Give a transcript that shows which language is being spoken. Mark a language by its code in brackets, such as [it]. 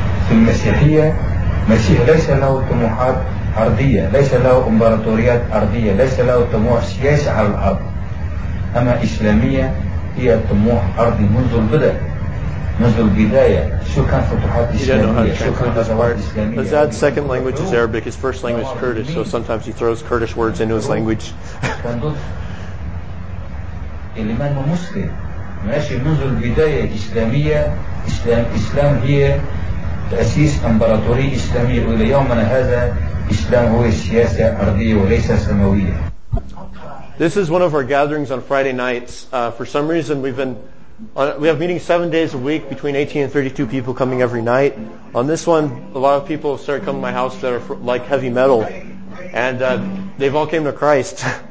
[ar] المسيحية مسيح ليس له طموحات أرضية ليس له إمبراطوريات أرضية ليس له طموح سياسي على الأرض أما إسلامية هي طموح أرضي منذ البدء منذ البداية شو كان فتوحات إسلامية شو كان فتوحات إسلامية [en] Azad's second language is Arabic. His first language is Kurdish, so sometimes he throws Kurdish words into his language. [ar] الإمام مسلم ماشي منذ البداية إسلامية إسلام هي تأسيس أمبراطورية إسلامية وإلى يومنا هذا إسلام هو السياسة الأرضية وليس السماوية. [en] This is one of our gatherings on Friday nights. For some reason, we have meetings 7 days a week between 18 and 32 people coming every night. On this one, a lot of people have started coming to my house that are like heavy metal, and they've all came to Christ.